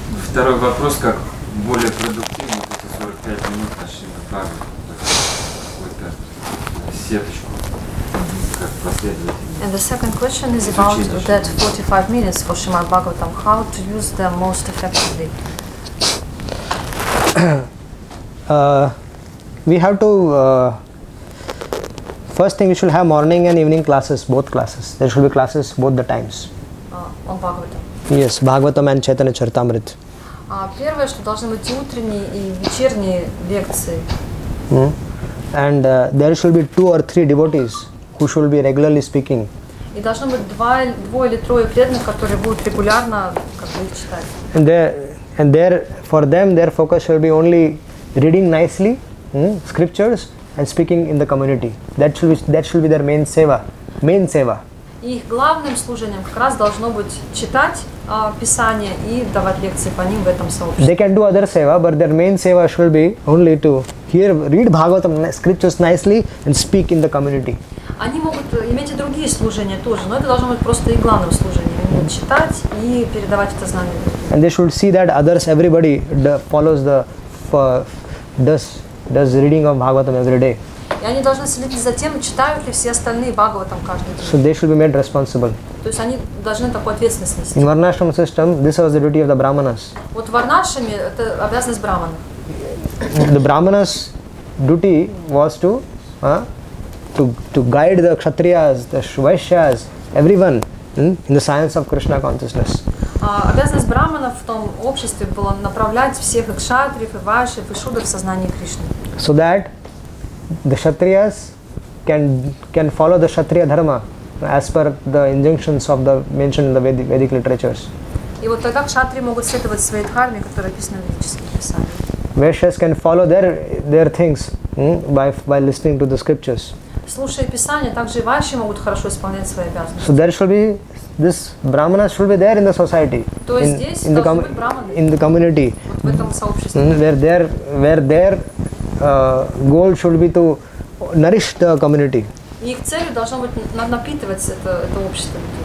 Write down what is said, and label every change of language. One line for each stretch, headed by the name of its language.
Russian: Второй вопрос, как более продуктивно, эти 45 минут нашли на пару, какую-то сеточку, как последовательно.
English: And the second question is about that 45 minutes for Shrimad Bhagavatam, how to use them most effectively? We have to, first thing, we should have morning and evening classes, both classes. There should be classes both the times. On Bhagavatam. Yes, Bhagavatam and Chaitanya Charitamrita.
Russian: Первое, что должны быть утренние и вечерние лекции.
English: And there should be 2 or 3 devotees who should be regularly speaking.
Russian: И должно быть двое или трое преданных, которые будут регулярно как бы их читать.
English: And there for them their focus should be only reading nicely scriptures and speaking in the community. That should be their main seva. Main seva.
Russian: Их главным служением как раз должно быть читать писание и давать лекции по ним в этом сообществе.
English: They can do other seva, but their main seva should be only to hear, read Bhagavatam scriptures nicely and speak in the community.
Russian: Они могут иметь и другие служения тоже, но это должно быть просто их главным служением. Читать и передавать это знание.
English: And they should see that others, everybody follows the, does reading of Bhagavatam every day.
Russian: И они должны следить за тем, читают ли все остальные Бхагаватам каждый день.
English: So they should be made responsible.
Russian: То есть они должны такую ответственность нести.
English: In Varnashram system, this was the duty of the Brahmanas.
Russian: Вот в Варнашраме это обязанность Брахмана.
English: The Brahmanas' duty was to guide the Kshatriyas, the Vaishyas, everyone in the science of Krishna consciousness.
Russian: Обязанность Брахманов в том обществе была направлять всех и кшатриев, и вайшев, и шудр в сознании Кришны.
English: So that the Kshatriyas can follow the Kshatriya Dharma as per the injunctions of the mentioned in the Vedic literatures.
Russian: И вот тогда кшатри могут следовать своей дхарме, которая описана в ведических писаниях.
English: Vaishyas can follow their things by listening to the scriptures.
Russian: Слушая писания, также и ваши могут хорошо исполнять свои обязанности.
English: So there should be this Brahmana should be there in the society.
Russian: То есть здесь должны быть Брахманы.
English: In the community.
Russian: Вот в этом сообществе.
English: Where their goal should be to nourish the community.
Russian: Их целью должно быть напитывать это общество.